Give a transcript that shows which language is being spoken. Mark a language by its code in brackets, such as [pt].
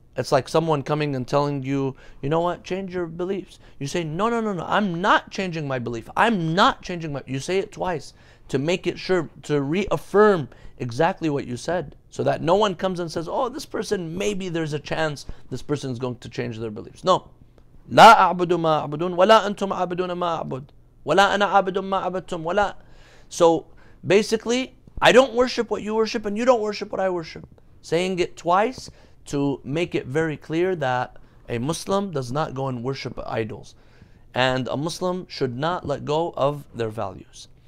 [en] It's like someone coming and telling you, you know what, change your beliefs. You say, no, no, no, no, I'm not changing my belief. I'm not changing my... You say it twice to make it sure, to reaffirm exactly what you said, so that no one comes and says, oh, this person, maybe there's a chance this person is going to change their beliefs. No. [ar] لا أعبد ما أعبدون ولا أنتم عابدون ما أعبد ولا أنا عابد ما عبدتم ولا. [en] So basically, I don't worship what you worship and you don't worship what I worship. Saying it twice to make it very clear that a Muslim does not go and worship idols, and a Muslim should not let go of their values.